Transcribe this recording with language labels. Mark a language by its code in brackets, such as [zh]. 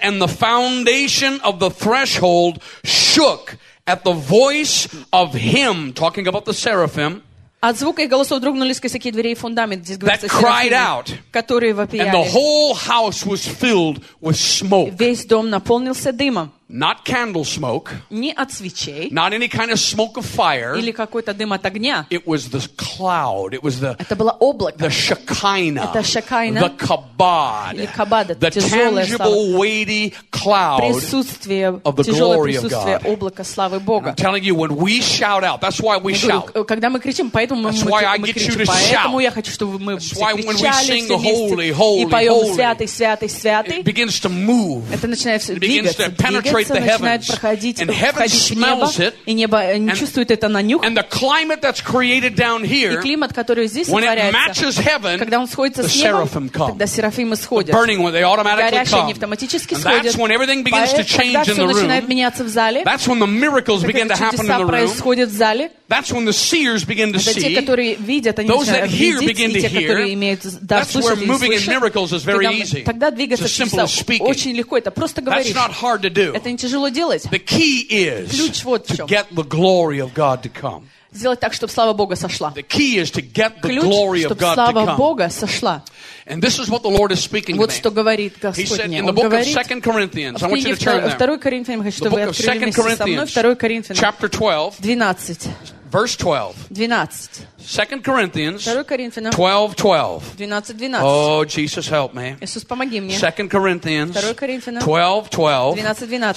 [en] And the foundation of the threshold shook at the voice of him, talking about the seraphim, [ru] от звука и голосов дрогнулись косяки дверей и фундамент, здесь говорится, [en] that cried out, [ru] которые вопияли. [en] And the whole house was filled with smoke. [ru] Весь дом наполнился дымом. [en] Not candle smoke. [ru] Не от свечей. [en] Not any kind of smoke of fire. [ru] Или какой-то дым от огня. [en] It was the cloud. It was the. [ru] Это было облако. [en] The Shekinah. [ru] Это Шекайна. [en] The Kabod. [ru] Или Кабад. [en] The tangible, weighty cloud. [ru] Присутствие. [en] Of the glory of God. [ru] Присутствие облака славы Бога. [en] I'm telling you, when we shout out, that's why we shout. [ru] Когда мы кричим, поэтому мы кричим. [en] That's why I get you to shout. [ru] Поэтому я хочу, чтобы мы кричали. [en] That's why when we sing holy, holy, holy. [ru] И поем святый, святый, святый. [en] It begins to move. [ru] Это начинает двигаться. [en] It begins to penetrate. The heavens, [ru] проходить, [en] and heaven smells it, [ru] и небо чувствует это на нюх. [en] And the climate that's created down here, [ru] и климат, который здесь [en] when it matches heaven, [ru] когда он сходится [en] the seraphim come, [ru] тогда серафимы сходят. [en] The burning one, they automatically [ru] горящие, [en] come. [ru] Они автоматически [en] and [ru] сходят. [en] That's when everything begins to change in the room. [ru] Начинает меняться в зале. [en] That's when the miracles begin to happen in the room. [ru] Происходят в зале. [en] That's when the seers begin to see. [ru] Те, которые видят, они [en] those that hear [ru] видеть, [en] begin [ru] и [en] to [ru] и [en] hear. That's where moving in miracles is very easy. [ru] Тогда двигаться в [en] simple speaking. [ru] Очень легко, это просто говорить. [en] That's not hard to do. [ru] Это не тяжело делать. [en] The key is [ru] ключ вот в чем. [en] To get the glory of God to come. [ru] Сделать так, чтобы слава Бога сошла. [en] The key is to get the [ru] ключ, [en] glory of God [ru] слава [en] to come. [ru] Бога сошла. [en] And this is what the Lord is speaking [ru] вот [en] to me. [ru] Что говорит Господь [en] He said, [ru] мне. [en] In the book [ru] говорит, [en] of 2 Corinthians, I want you to turn there. [ru] В 2 Коринфянам, я хочу, чтобы вы открыли вместе со мной. 2 Коринфянам, [en] chapter 12, 12. Verse 12. 12. 2 Corinthians 12, 12. 12, 12. Oh, Jesus, help me. 2 Corinthians 12, 12. 12, 12.